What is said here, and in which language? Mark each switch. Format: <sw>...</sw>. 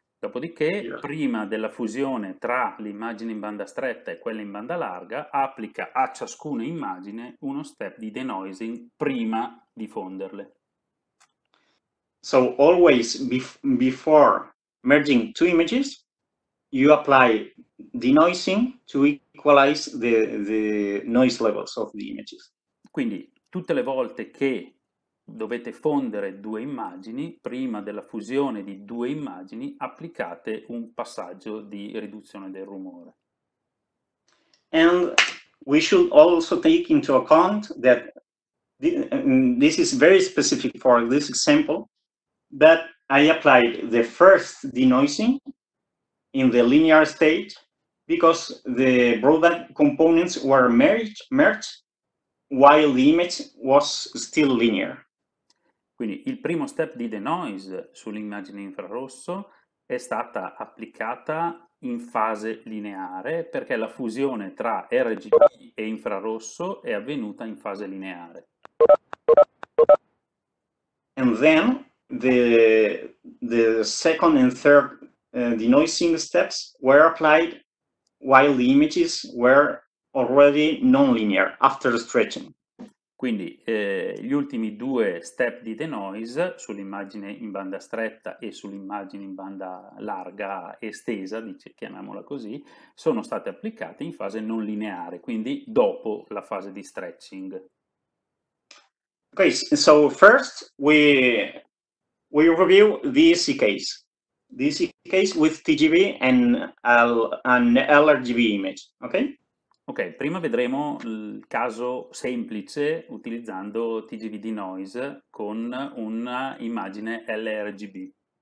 <it>Dopodiché, prima della fusione tra l'immagine in banda stretta e quella in banda larga, applica a ciascuna immagine uno step di denoising prima di fonderle.</it> <en>So always before merging two images, you apply denoising to equalize the noise levels of the images.</en> <it>Quindi tutte le volte che dovete fondere due immagini, prima della fusione di due immagini, applicate un passaggio di riduzione del rumore.</it> <en>And we should also take into account that this is very specific for this example, but I applied the first denoising in the linear state because the broadband components were merged while the image was still linear.</en> <it>Quindi il primo step di denoise sull'immagine infrarosso è stata applicata in fase lineare perché la fusione tra RGB e infrarosso è avvenuta in fase lineare.</it> <en>And then the second and third denoising steps were applied while the images were already non-linear after stretching.</en> <it>Quindi gli ultimi due step di denoise sull'immagine in banda stretta e sull'immagine in banda larga estesa, dice, chiamiamola così, sono state applicate in fase non lineare, quindi dopo la fase di stretching.</it> <en>Okay, so first we review the EC case. The EC case with TGV and an LRGB image, okay?</en> <it>Ok, prima vedremo il caso semplice utilizzando TGV denoise con un'immagine LRGB.</it>